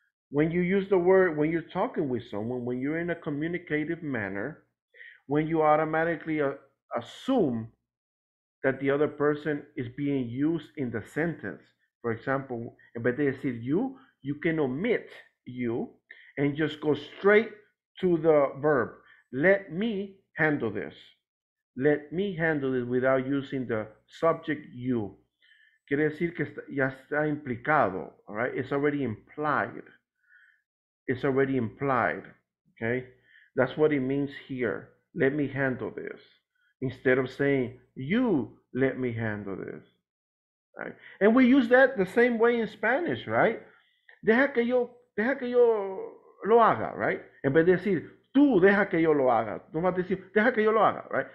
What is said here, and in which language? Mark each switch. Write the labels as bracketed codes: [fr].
[en] When you use the word, when you're talking with someone, when you're in a communicative manner, when you automatically assume that the other person is being used in the sentence. For example, but they said you can omit you and just go straight to the verb. Let me handle this. Let me handle it without using the subject you. [es] Quiere decir que ya está implicado, [en] all right? It's already implied. It's already implied, okay? That's what it means here. Let me handle this. Instead of saying, you let me handle this. Right? And we use that the same way in Spanish, right? [es] Deja que yo lo haga, right? En vez de decir, tú deja que yo lo haga. No más decir, deja que yo lo haga, right?